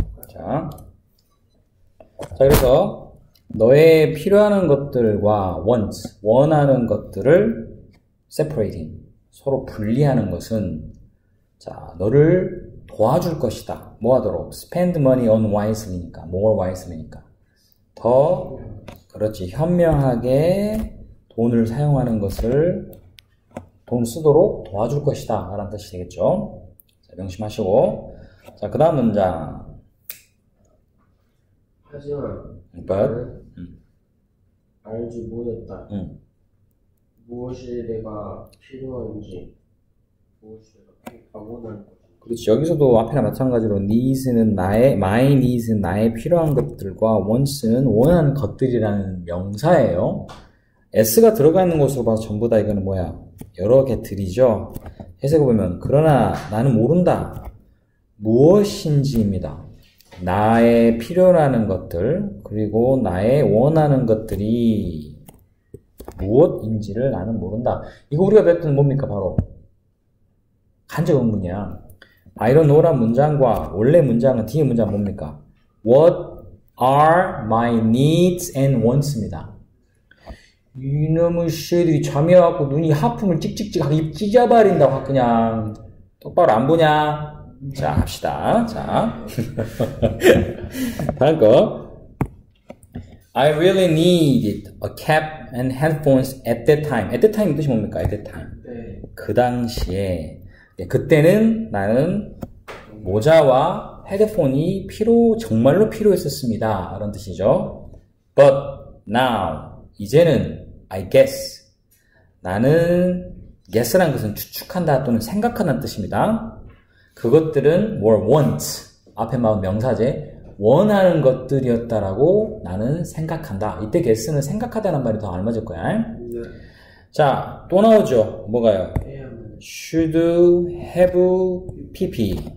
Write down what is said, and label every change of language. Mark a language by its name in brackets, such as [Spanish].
[Korean] 자, 그래서 너의 필요한 것들과 wants, 원하는 것들을 separating, 서로 분리하는 것은 자, 너를 도와줄 것이다. 뭐 하도록? [English] spend money on wisely니까, more wisely니까. [Korean] 더, 그렇지, 현명하게 돈을 사용하는 것을 돈 쓰도록 도와줄 것이다 라는 뜻이 되겠죠. 자, 명심하시고 자, 그 다음 문장 하지만 [English] but [Korean] 나는 알지 못했다. 무엇이 내가 필요한지, 무엇이 내가 원하는 것인지. 그렇지, 여기서도 앞이랑 마찬가지로 needs는 나의 my needs는 나의 필요한 것들과 wants는 원하는 것들이라는 명사예요. s가 들어가 있는 것으로 봐서 전부 다 이거는 뭐야? 여러 개들이죠. 해석을 보면 그러나 나는 모른다. 무엇인지입니다. 나의 필요라는 것들 그리고 나의 원하는 것들이 무엇인지를 나는 모른다. 이거 우리가 배웠던 뭡니까? 바로 간접 의문이야. [English] I don't know [Korean] 란 문장과 원래 문장은 뒤에 문장 뭡니까? [English] What are my needs and wants입니다. [Korean] 이놈의 쉐들이 잠이 와갖고 눈이 하품을 찍찍찍 하고 입 찢어버린다고 그냥 똑바로 안 보냐? 자, 합시다. 자, 다음 거. [English] I really needed a cap and headphones at that time. At that time [Korean] 뜻이 뭡니까? [English] At that time. [Korean] 그 당시에 네, 그때는 나는 모자와 헤드폰이 정말로 필요했었습니다. 이런 뜻이죠. [English] But now [Korean] 이제는 [English] I guess. [Korean] 나는 guess란 것은 추측한다 또는 생각한다는 뜻입니다. 그것들은 [English] were once [Korean] 앞에 막 명사제 원하는 것들이었다라고 나는 생각한다. 이때 guess는 생각하다는 말이 더 알맞을 거야. 네. 자, 또 나오죠. 뭐가요? should, have, pp.